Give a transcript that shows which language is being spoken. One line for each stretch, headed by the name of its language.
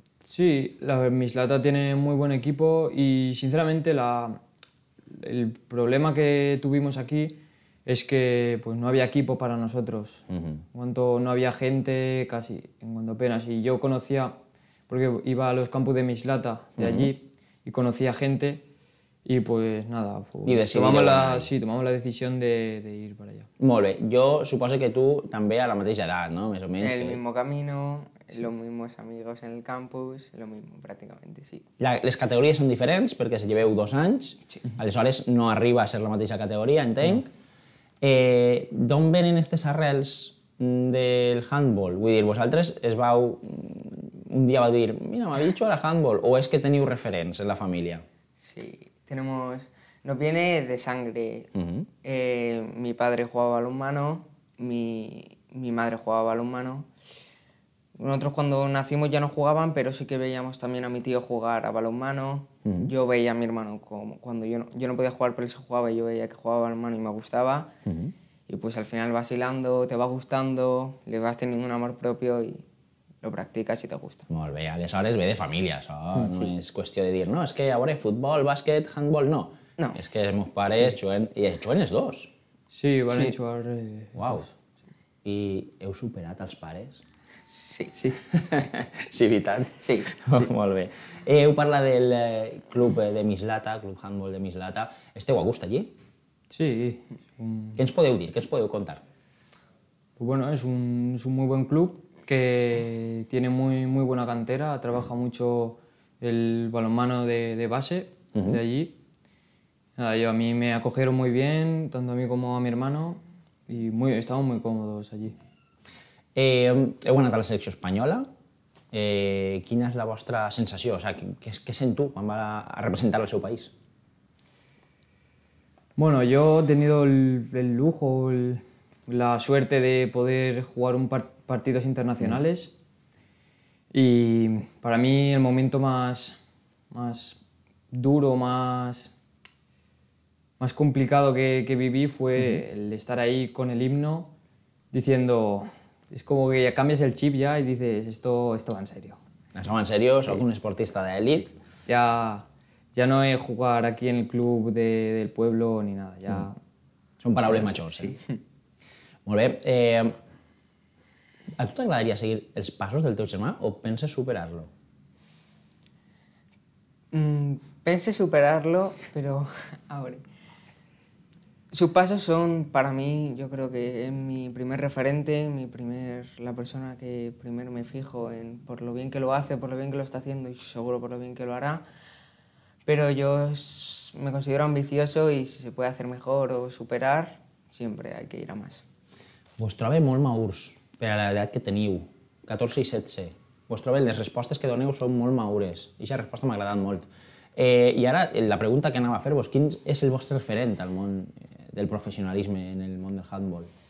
Spanish: Sí, Mislata tiene muy buen equipo y sinceramente el problema que tuvimos aquí es que pues no había equipo para nosotros. Uh-huh. En cuanto no había gente, casi, en cuanto apenas. Y yo conocía, porque iba a los campus de Mislata, de uh-huh. allí, y conocía gente. Y pues nada, tomamos la decisión de ir para allá.
Catalan: Molt bé. Jo suposo que tu també a la mateixa edat, no? Més o menys.
Spanish: El mismo camino, los mismos amigos en el campus, lo mismo prácticamente, sí.
Catalan: Les categories són diferents perquè se lleveu dos anys, sí. Aleshores no arriba a ser la mateixa categoria, entenc. No. D'on venen aquestes arrels del handball? Vull dir, vosaltres es vau... Un dia va dir, mira, m'ha dicho ara handball, o és que teniu referents en la família?
Spanish: Sí. Nos viene de sangre. Uh-huh. Mi padre jugaba balonmano, mi madre jugaba balonmano. Nosotros cuando nacimos ya no jugaban, pero sí que veíamos también a mi tío jugar a balonmano. Uh-huh. Yo veía a mi hermano como cuando yo no podía jugar, pero él se jugaba y yo veía que jugaba balonmano y me gustaba. Uh-huh. Y pues al final vas hilando, te va gustando, le vas teniendo un amor propio y lo practicas y te gusta.
Catalan: Molt bé, aleshores ve de família, això. Sí. No és qüestió de dir, no, és que llavors futbol, bàsquet, handball, no. No. És que els meus pares sí. juguen els dos. Sí, van sí. jugar... Uau. I heu superat els pares? Sí. Sí, sí veritat? Sí. Molt bé. Heu parlat del club de Mislata, club handball de Mislata. Esteu a gust allí? Sí. Què ens podeu dir, què ens podeu contar?
Spanish: Pues bueno, és un muy buen club. Que tiene muy, muy buena cantera, trabaja mucho el balonmano de base uh-huh. de allí. A mí me acogieron muy bien, tanto a mí como a mi hermano, y estamos muy cómodos allí.
Catalan: Heu anat a la selecció espanyola. Quina és la vostra sensació?
Spanish: O sea,
Catalan: què sent tu quan va a representar el seu país?
Spanish: Bueno, yo he tenido el lujo, la suerte de poder jugar un partidos internacionales y para mí el momento más duro, más complicado que viví fue el estar ahí con el himno diciendo, es como que ya cambias el chip ya y dices, esto va en serio. ¿Esto va en serio? Sí. ¿Soy un esportista de élite? Sí. Ya no he jugado aquí en el club del pueblo ni nada, ya... Son palabras mayores. Sí. Muy bien.
Catalan: ¿A tu t'agradaria seguir els passos del teu germà o penses superar-lo? Pense superar-lo, però... A veure...
Spanish: Sus
Catalan: passos són, per a mi, jo crec que és
Spanish: mi primer referente, la persona que primer me fijo en por lo bien que lo hace, por lo bien que lo está haciendo y seguro por lo bien que lo hará. Pero yo me considero ambicioso y si se puede hacer mejor o superar, siempre hay que ir a más.
Catalan: Vos trobe molt maurs. Per a l'edat que teniu, 14 i 16, vos trobeu, les respostes que doneu són molt maures. Ixa resposta m'ha agradat molt. I ara, la pregunta que anava a fer-vos, quin és el vostre referent al món del professionalisme, en el món del handball?